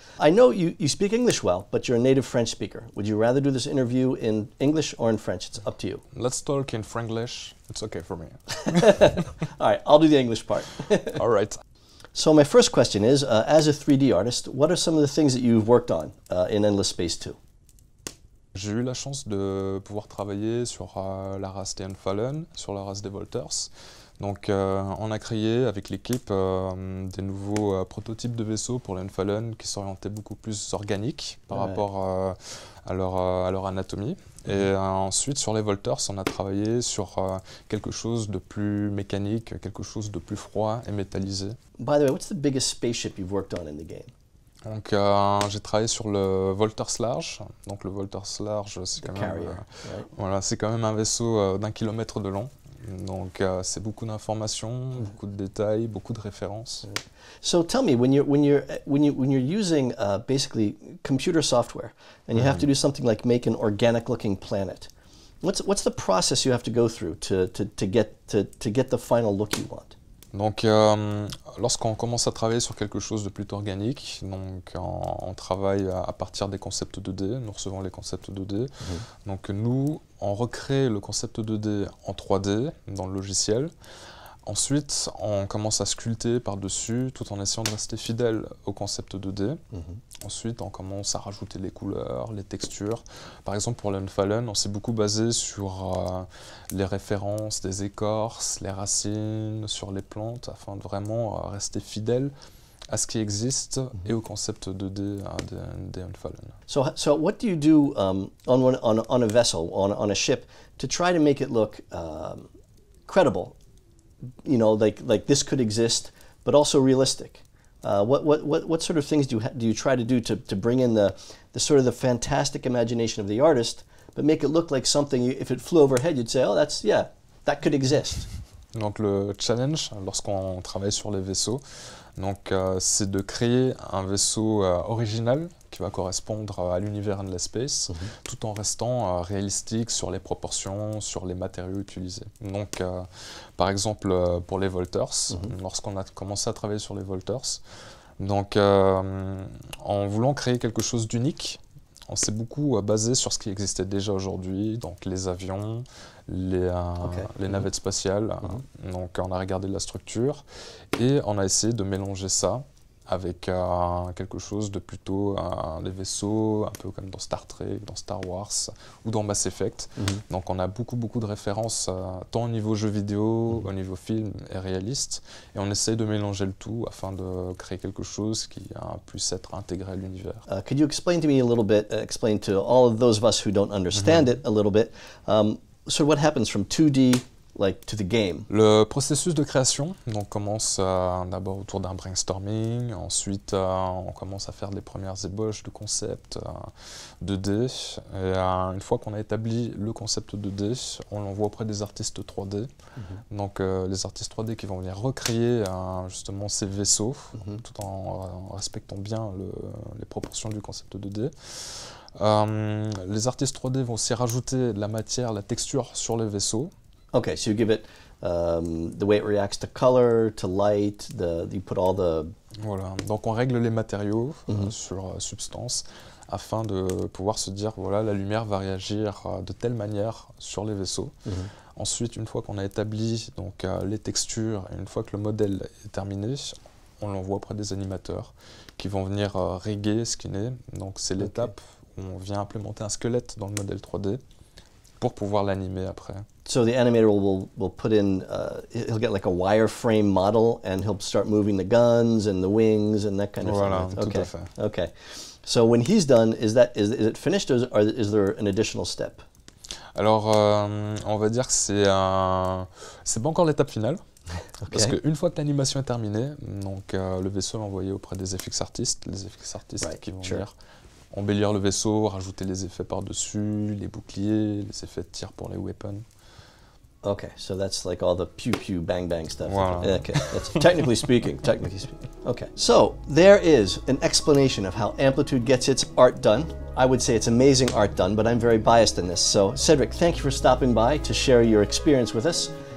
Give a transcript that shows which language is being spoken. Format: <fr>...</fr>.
<en>I know you speak English well, but you're a native French speaker. Would you rather do this interview in English or in French? It's up to you. Let's talk in Franglish. It's okay for me. All right, I'll do the English part. All right. So my first question is, as a 3D artist, what are some of the things that you've worked on in Endless Space 2?</en> <fr>J'ai eu la chance de pouvoir travailler sur la race des Unfallen, sur la race des Volters. Donc on a créé avec l'équipe des nouveaux prototypes de vaisseaux pour les Unfallen qui s'orientaient beaucoup plus organiques par rapport à leur anatomie. Et ensuite sur les Volters, on a travaillé sur quelque chose de plus mécanique, quelque chose de plus froid et métallisé.</fr> <en>By the way, what's the biggest spaceship you've worked on in the game?</en> <fr>Donc j'ai travaillé sur le Volters Large. Donc le Volters Large, c'est quand même voilà, c'est quand même un vaisseau d'un kilomètre de long. Donc c'est beaucoup d'informations, beaucoup de détails, beaucoup de références.</fr> <en>So tell me, when you're using basically computer software and you have to do something like make an organic looking planet. What's the process you have to go through to get the final look you want?</en> <fr>Donc, lorsqu'on commence à travailler sur quelque chose de plutôt organique, donc on travaille à partir des concepts 2D, nous recevons les concepts 2D. Mmh. Donc nous, on recrée le concept 2D en 3D dans le logiciel. Ensuite, on commence à sculpter par-dessus tout en essayant de rester fidèle au concept 2D. Mmh. Ensuite, on commence à rajouter les couleurs, les textures. Par exemple, pour l'Unfallen, on s'est beaucoup basé sur les références des écorces, les racines, sur les plantes, afin de vraiment rester fidèle à ce qui existe et au concept 2D des Unfallen.</fr> <en>So what do you do on a vessel, on a ship, to try to make it look credible? You know, like this could exist, but also realistic. What sort of things do you try to do to bring in the sort of the fantastic imagination of the artist, but make it look like something? If it flew overhead, you'd say, oh, that's that could exist.</en> <fr>Donc le challenge lorsqu'on travaille sur les vaisseaux, donc c'est de créer un vaisseau original qui va correspondre à l'univers Endless Space, tout en restant réalistique sur les proportions, sur les matériaux utilisés. Donc, par exemple, pour les Volters, lorsqu'on a commencé à travailler sur les Volters, donc, en voulant créer quelque chose d'unique, on s'est beaucoup basé sur ce qui existait déjà aujourd'hui, donc les avions, les navettes spatiales. Donc, on a regardé la structure et on a essayé de mélanger ça avec quelque chose de plutôt des vaisseaux, un peu comme dans Star Trek, dans Star Wars ou dans Mass Effect. Donc on a beaucoup de références, tant au niveau jeu vidéo, au niveau film et réaliste. Et on essaye de mélanger le tout afin de créer quelque chose qui puisse être intégré à l'univers.</fr> <en>Could you explain to me a little bit, explain to all of those of us who don't understand it a little bit, so what happens from 2D like to the game?</en> <fr>Le processus de création donc commence d'abord autour d'un brainstorming, ensuite on commence à faire les premières ébauches de concept 2D. Et une fois qu'on a établi le concept 2D, on l'envoie auprès des artistes 3D. Donc les artistes 3D qui vont venir recréer justement ces vaisseaux tout en respectant bien les proportions du concept 2D. Les artistes 3D vont aussi rajouter la matière, la texture sur les vaisseaux.</fr> <en>Okay, so you give it the way it reacts to color, to light, you put all the...</en> <fr>Voilà, donc on règle les matériaux sur substance afin de pouvoir se dire, voilà, la lumière va réagir de telle manière sur les vaisseaux. Mmh. Ensuite, une fois qu'on a établi donc, les textures, et une fois que le modèle est terminé, on l'envoie auprès des animateurs qui vont venir rigger, skinner. Donc c'est l'étape où on vient implémenter un squelette dans le modèle 3D pour pouvoir l'animer après.</fr> <en>So the animator will put in, he'll get like a wireframe model and he'll start moving the guns and the wings and that kind of</en> <fr>voilà,</fr> <en>thing.</en> <fr>Voilà,</fr> <en>okay.</en> <fr>Tout à fait.</fr> <en>Okay. So when he's done, is it finished or is there an additional step?</en> <fr>Alors, on va dire que c'est pas encore l'étape finale.</fr> <en>Okay.</en> <fr>Parce qu'une fois que l'animation est terminée, donc, le vaisseau est envoyé auprès des FX artistes,</fr> <en>right,</en> <fr>qui vont</fr> <en>sure.</en> <fr>dire embellir le vaisseau, rajouter les effets par-dessus, les boucliers, les effets de tir pour les weapons.</fr> <en>Ok, so that's like all the pew-pew, bang-bang stuff.</en> <fr>Voilà.</fr> <en>Okay. Technically speaking. Okay, so there is an explanation of how Amplitude gets its art done. I would say it's amazing art done, but I'm very biased in this. So Cedric, thank you for stopping by to share your experience with us.</en>